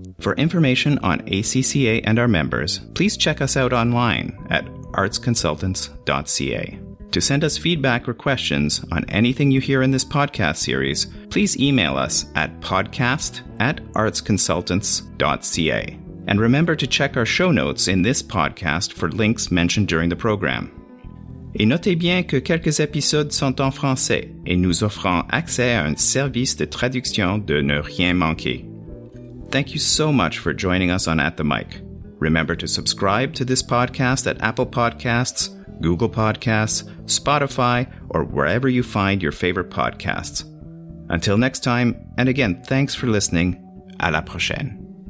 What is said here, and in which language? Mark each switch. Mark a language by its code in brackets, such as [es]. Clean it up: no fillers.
[en] For information on ACCA and our members, please check us out online at artsconsultants.ca. To send us feedback or questions on anything you hear in this podcast series, please email us at podcast@artsconsultants.ca. And remember to check our show notes in this podcast for links mentioned during the program. [fr] Et notez bien que quelques épisodes sont en français et nous offrons accès à un service de traduction de ne rien manquer. [en] Thank you so much for joining us on At the Mic. Remember to subscribe to this podcast at Apple Podcasts, Google Podcasts, Spotify, or wherever you find your favorite podcasts. Until next time, and again, thanks for listening. [fr] À la prochaine.